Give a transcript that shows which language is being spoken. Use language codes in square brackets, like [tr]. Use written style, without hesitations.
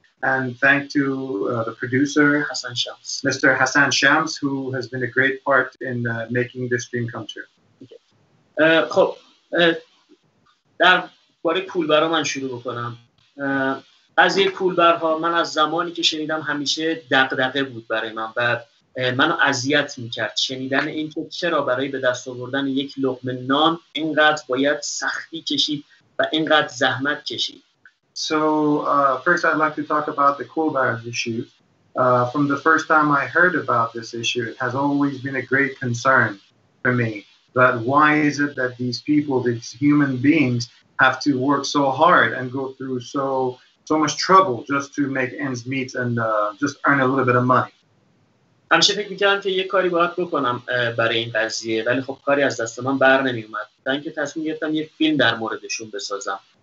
[en] And thank to the producer, Hassan Shams. Mr. Hassan Shams, who has been a great part in making this dream come true. [fa] خب در باره پولبرا من شروع بکنم. از یه پولبرها من از زمانی که شنیدم همیشه دغدغه بود برای من و منو اذیت میکرد شنیدن اینکه چرا برای به دست آوردن یک لقمه نان اینقدر باید سختی کشید و اینقدر زحمت کشید. [en] So first I'd like to talk about the coal bars issue. From the first time I heard about this issue, it has always been a great concern for me. But why is it that these people, these human beings, have to work so hard and go through so much trouble just to make ends meet and just earn a little bit of money. [fa] همیشه فکر میکردم که یه کاری باید بکنم برای این قضیه ولی خب کاری از دست من بر نمی اومد تا اینکه تصمیم گرفتم یه فیلم در موردشون بسازم.